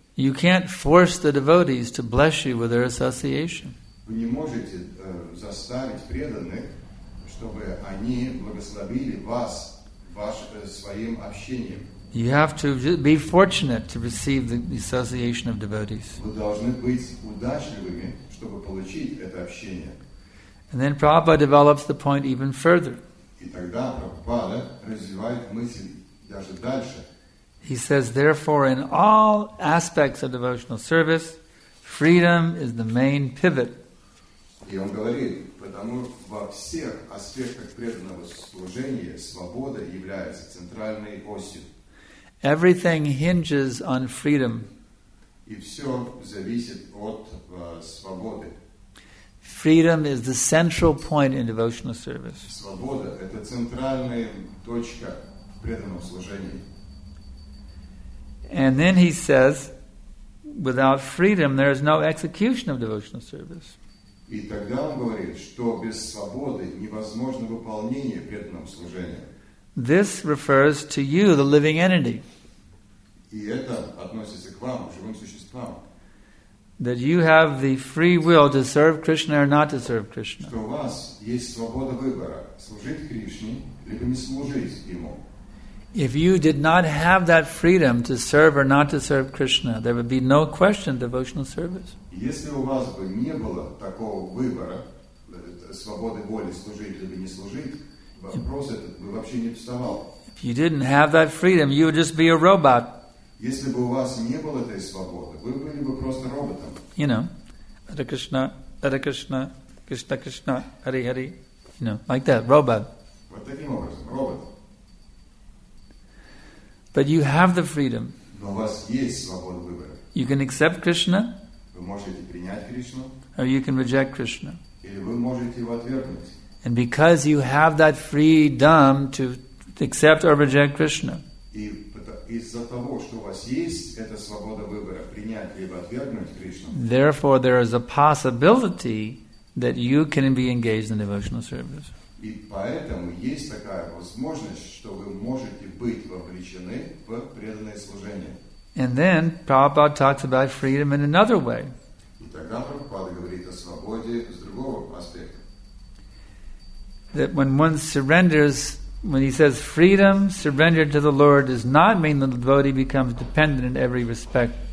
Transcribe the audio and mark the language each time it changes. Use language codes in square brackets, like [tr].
[en] You can't force the devotees to bless you with their association. [ru] Вы не можете заставить преданных, чтобы они благословили вас своим общением. [en] You have to be fortunate to receive the association of devotees. [ru] Вы должны быть удачливыми, чтобы получить это общение. [en] And then Prabhupada develops the point even further. [ru] И тогда Прабхупада развивает мысль даже дальше. [en] He says, therefore, in all aspects of devotional service, freedom is the main pivot. [ru] И он говорит, потому во всех аспектах преданного служения свобода является центральной осью. [en] Everything hinges on freedom. [ru] И все зависит от свободы. [en] Freedom is the central point in devotional service. [ru] Свобода – это центральная точка в преданном служении. [en] And then he says, without freedom, there is no execution of devotional service. [ru] И тогда он говорит, что без свободы невозможно выполнение преданного служения. [en] This refers to you, the living entity. [ru] И это относится к вам, живым существам. [en] That you have the free will to serve Krishna or not to serve Krishna. [ru] Что у вас есть свобода выбора, служить Кришне либо не служить ему. [en] If you did not have that freedom to serve or not to serve Krishna, there would be no question of devotional service. [ru] Если у вас бы не было такого выбора, свободы воли служить либо не служить, вопрос этот бы вообще не вставал. [en] If you didn't have that freedom, you would just be a robot. [ru] Если бы у вас не было этой свободы, вы были бы просто роботом. [en] You know, Hare Krishna, Krishna Krishna, Hare Hare, you know, like that, robot. [ru] Вот таким образом, робот. [en] But you have the freedom. [ru] Но у вас есть свобода выбора. [en] You can accept Krishna. [ru] Вы можете принять Кришну. [en] Or you can reject Krishna. [ru] Или вы можете его отвергнуть. [en] And because you have that freedom to accept or reject Krishna. [ru] Из-за того, что у вас есть эта свобода выбора, принять либо отвергнуть Кришну. [en] Therefore, there is a possibility that you can be engaged in devotional service. [ru] И поэтому есть такая возможность, что вы можете быть вовлечены в преданное служение. [en] And then Prabhupada talks about freedom in another way. [ru] И тогда Прабхупада говорит о свободе с другого аспекта. [en] That when one surrenders. When he says freedom surrendered to the Lord does not mean that the devotee becomes dependent in every respect.